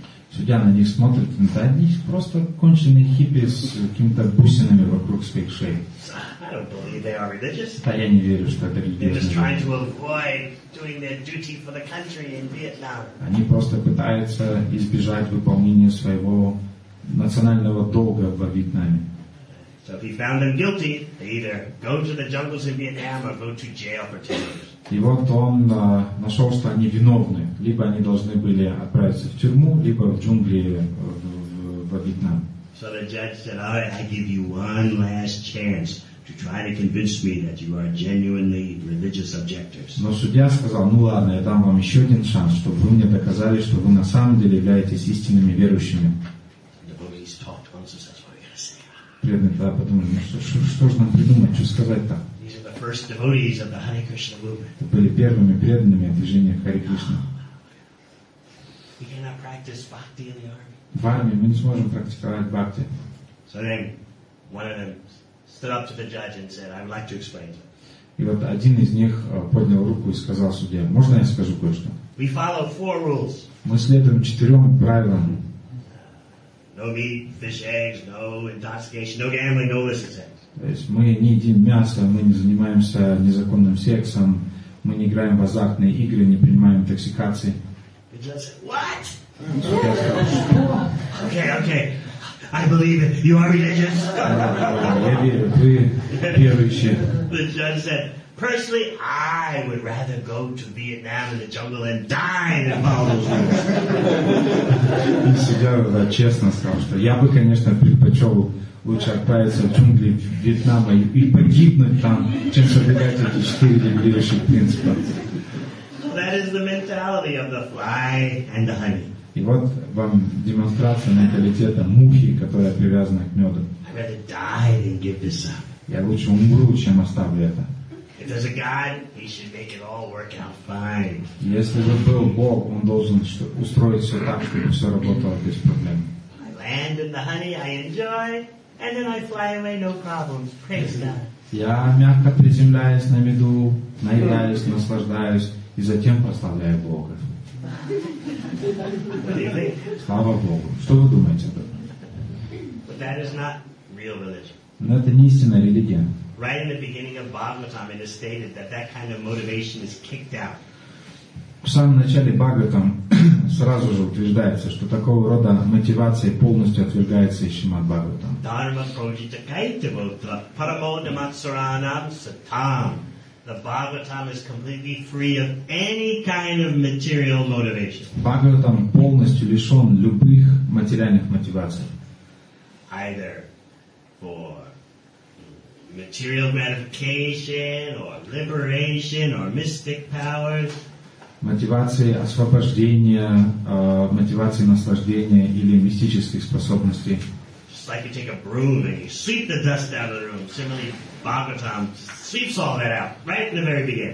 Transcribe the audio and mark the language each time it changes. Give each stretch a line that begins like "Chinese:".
Russian: Судья на них смотрит, да, они просто конченые хиппи с какими-то бусинами вокруг своих шеи.
English: I don't believe they are religious.
Russian: Да, я не верю, что это религиозные.
English: They're just trying to avoid doing their duty for the country in Vietnam.
Russian: Они просто пытаются избежать выполнения своего национального долга во Вьетнаме.
English: So if he found them guilty, they either go to the jungles in Vietnam or go to jail for 10 years.
Russian: И вот он нашел, что они виновны. Либо они должны были отправиться в тюрьму, либо в джунгли во Вьетнам.
English: So the judge said, all right, I give you one last chance to try to convince me that you are genuinely religious objectors.
Russian: Но судья сказал, ну ладно, я дам вам еще один шанс, чтобы вы мне доказали, что вы на самом деле являетесь истинными верующими.
English: The police talked once and said, what are you going to say?
Russian: Преданный, да, подумали, ну что же нам придумать, что сказать-то?
English: First devotees of the Hare Krishna movement.
Russian: Это были первыми преданными движения Харе Кришна.
English: We cannot practice bhakti in the army.
Russian: В армии мы не сможем практиковать бхакти.
English: So then one of them stood up to the judge and said, I'd like to explain.
Russian: И вот один из них поднял руку и сказал судье, можно я скажу кое-что?
English: We follow four rules.
Russian: Мы следуем четырем правилам.
English: No meat, fish, eggs, no intoxication, no gambling, no illicit sex.
Russian: То есть мы не едим мясо, мы не занимаемся незаконным сексом, мы не играем в азартные игры, не принимаем интоксикации.
English: What? Okay, okay. I believe it. You are religious.
Russian: Я верю, вы верующие.
English: The judge said, personally, I would rather go to Vietnam in the jungle and die than follow the rules.
Russian: Судья честно сказал, что я бы, конечно, предпочел лучше отправиться в джунгли Вьетнама и погибнуть там, чем соблюдать эти четыре регулирующих принципа.
English: That is the mentality of the fly and the honey.
Russian: И вот вам демонстрация менталитета мухи, которая привязана к меду.
English: I'd rather die than give this up.
Russian: Я лучше умру, чем оставлю это.
English: If there's a God, he should make it all work out fine.
Russian: Если бы был Бог, он должен устроить все так, чтобы все работало без проблем.
English: I land in the honey, I enjoy. And then I fly away, no problems. Praise God.
Russian: Я мягко приземляюсь на меду, наедаюсь, наслаждаюсь, и затем прославляю Бога. Слава Богу. Что вы думаете об этом?
English: But that is not real religion.
Russian: Но это не истинная религия.
English: Right in the beginning of Bhagavatam, it is stated that that kind of motivation is kicked out.
Russian: В самом начале Бхагаватам сразу же утверждается, что такого рода мотивация полностью отвергается и Шримад Бхагаватам.
Sanskrit: Dharma projita kaitavotra paramodamatsaranam satam.
English: The Bhagavatam is completely free of any kind of material motivation.
Russian: Бхагаватам полностью лишен любых материальных мотиваций.
English: Either for material gratification or liberation or mystic powers.
Russian: Мотивации освобождения, мотивации наслаждения или мистических способностей.
English: Just like you take a broom and you sweep the dust out of the room. Similarly, Bhagavatam sweeps all that out right in the very beginning.